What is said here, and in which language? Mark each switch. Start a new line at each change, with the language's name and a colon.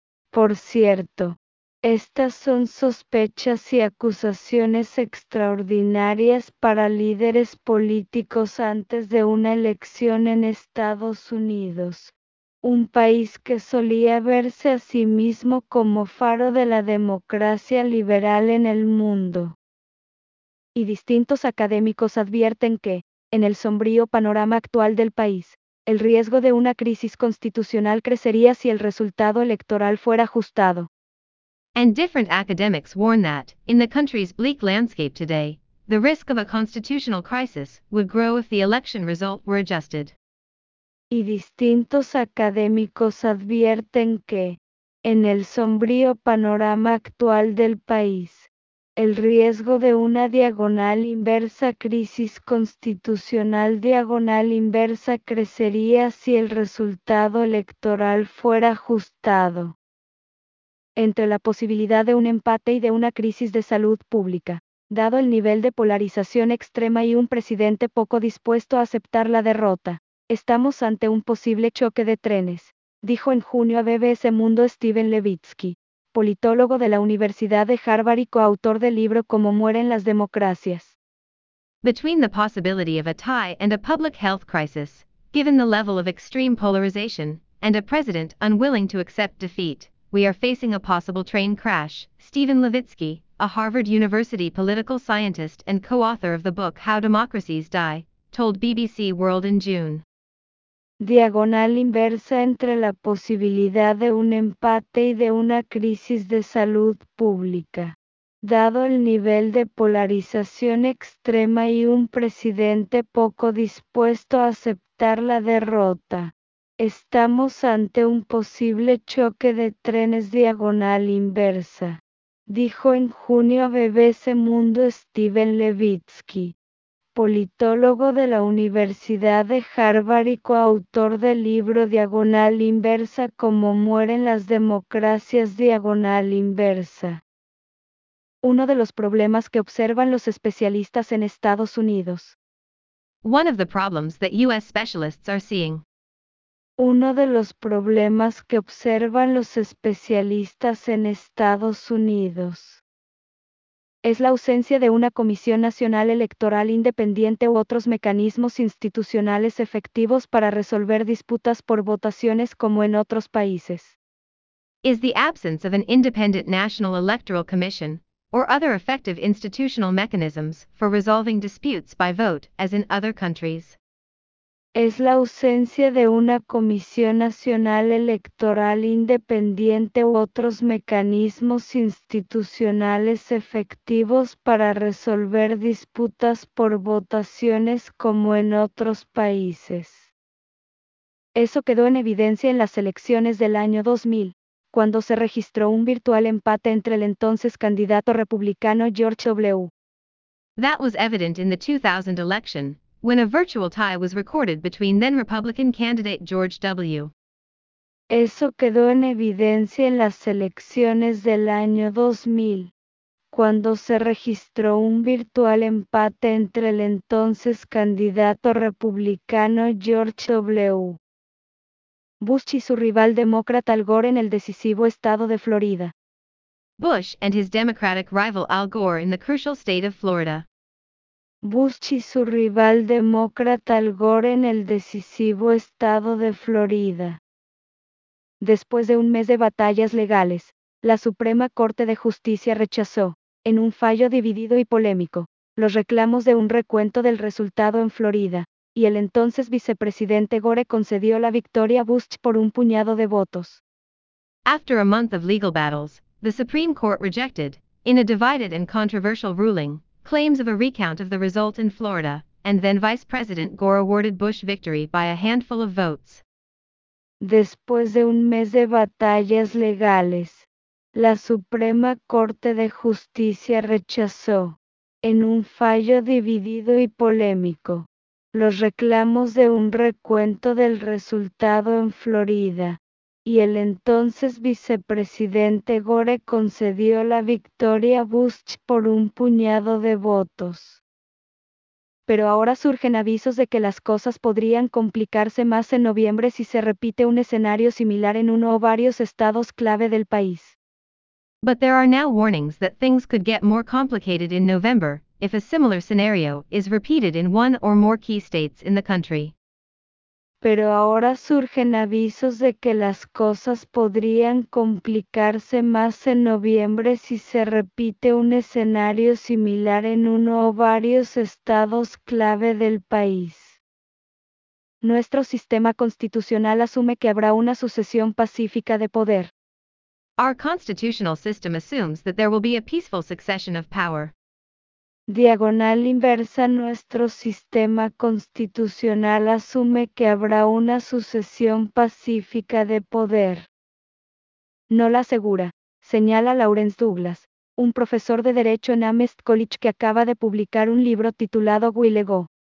Spanish: Por cierto, estas son sospechas y acusaciones extraordinarias para líderes políticos antes de una elección en Estados Unidos, un país que solía verse a sí mismo como faro de la democracia liberal en el mundo. Y distintos académicos advierten que, en el sombrío panorama actual del país, el riesgo de una crisis constitucional crecería si el resultado electoral fuera ajustado.
English: And different academics warn that, in the country's bleak landscape today, the risk of a constitutional crisis would grow if the election result were adjusted.
Spanish: Y distintos académicos advierten que, en el sombrío panorama actual del país, el riesgo de una diagonal inversa crisis constitucional diagonal inversa crecería si el resultado electoral fuera ajustado. Entre la posibilidad de un empate y de una crisis de salud pública, dado el nivel de polarización extrema y un presidente poco dispuesto a aceptar la derrota. Estamos ante un posible choque de trenes, dijo en junio a BBC Mundo Steven Levitsky, politólogo de la Universidad de Harvard y coautor del libro Cómo mueren las democracias.
English: Between the possibility of a tie and a public health crisis, given the level of extreme polarization, and a president unwilling to accept defeat, we are facing a possible train crash, Steven Levitsky, a Harvard University political scientist and co-author of the book How Democracies Die, told BBC World in June.
Spanish: Diagonal inversa entre la posibilidad de un empate y de una crisis de salud pública. Dado el nivel de polarización extrema y un presidente poco dispuesto a aceptar la derrota. Estamos ante un posible choque de trenes diagonal inversa. Dijo en junio a BBC Mundo Steven Levitsky, politólogo de la Universidad de Harvard y coautor del libro Diagonal Inversa Cómo mueren las democracias diagonal inversa. Uno de los problemas que observan los especialistas en Estados Unidos.
English: One of the problems that US specialists are seeing.
Spanish: Uno de los problemas que observan los especialistas en Estados Unidos. Es la ausencia de una Comisión Nacional Electoral independiente u otros mecanismos institucionales efectivos para resolver disputas por votaciones como en otros países.
English: Is the absence of an independent National Electoral Commission or other effective institutional mechanisms for resolving disputes by vote as in other countries?
Spanish: Es la ausencia de una Comisión Nacional Electoral independiente u otros mecanismos institucionales efectivos para resolver disputas por votaciones como en otros países. Eso quedó en evidencia en las elecciones del año 2000, cuando se registró un virtual empate entre el entonces candidato republicano George W.
English: That was evident in the 2000 election. When a virtual tie was recorded between then Republican candidate George W.
Spanish: Eso quedó en evidencia en las elecciones del año 2000, cuando se registró un virtual empate entre el entonces candidato republicano George W. Bush y su rival demócrata Al Gore en el decisivo estado de Florida.
English: Bush and his Democratic rival Al Gore in the crucial state of Florida.
Spanish: Bush y su rival demócrata Al Gore en el decisivo estado de Florida. Después de un mes de batallas legales, la Suprema Corte de Justicia rechazó, en un fallo dividido y polémico, los reclamos de un recuento del resultado en Florida, y el entonces vicepresidente Gore concedió la victoria a Bush por un puñado de votos.
English: After a month of legal battles, the Supreme Court rejected, in a divided and controversial ruling, claims of a recount of the result in Florida, and then Vice President Gore awarded Bush victory by a handful of votes.
Spanish: Después de un mes de batallas legales, la Suprema Corte de Justicia rechazó, en un fallo dividido y polémico, los reclamos de un recuento del resultado en Florida. Y el entonces vicepresidente Gore concedió la victoria a Bush por un puñado de votos. Pero ahora surgen avisos de que las cosas podrían complicarse más en noviembre si se repite un escenario similar en uno o varios estados clave del país.
English: But there are now warnings that things could get more complicated in November if a similar scenario is repeated in one or more key states in the country.
Spanish: Pero ahora surgen avisos de que las cosas podrían complicarse más en noviembre si se repite un escenario similar en uno o varios estados clave del país. Nuestro sistema constitucional asume que habrá una sucesión pacífica de poder.
English: Our constitutional system assumes that there will be a peaceful succession of power.
Spanish: Diagonal inversa, nuestro sistema constitucional asume que habrá una sucesión pacífica de poder. No la asegura, señala Lawrence Douglas, un profesor de derecho en Amherst College que acaba de publicar un libro titulado Will It Go?